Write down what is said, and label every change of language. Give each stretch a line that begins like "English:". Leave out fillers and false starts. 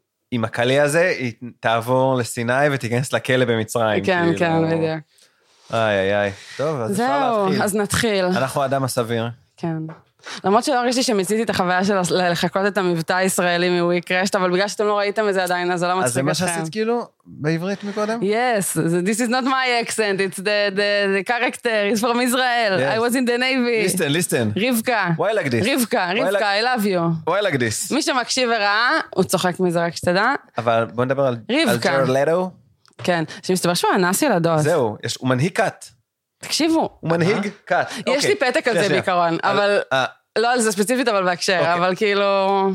Hebrew: עם הקלי הזה, היא תעבור לסיני ותיכנס לכלא במצרים. כן, כן, בדיוק. איי, איי, איי. טוב, אז אפשר להתחיל. זהו, אז נתחיל. אנחנו האדם הסביר. כן. למרות שלא רגישתי שמציתי את החוויה של לחכות את המבטא הישראלי מ-WeCrashed, אבל בגלל שאתם לא ראיתם את זה עדיין, אז זה לא מצחיק אתכם. אז זה מה שעשית כאילו בעברית מקודם?
English: Yes, this is not my accent, it's the character, it's from Israel. Yes. I was in the Navy. Listen, listen.
Hebrew: רבקה.
English: Why like this? רבקה, רבקה, I love you. Why like this?
Hebrew: מי שמקשיב וראה, הוא צוחק מזה רק שתדע. אבל בוא נדבר על ג'רד לטו. כן, שמסתבר שהוא אנס ילדות. זהו, הוא מנהיג קאט. תקשיבו. הוא מנהיג קאט. יש לי פתק על זה בעיקרון, אבל לא על זה ספציפית, אבל בהקשר, אבל כאילו...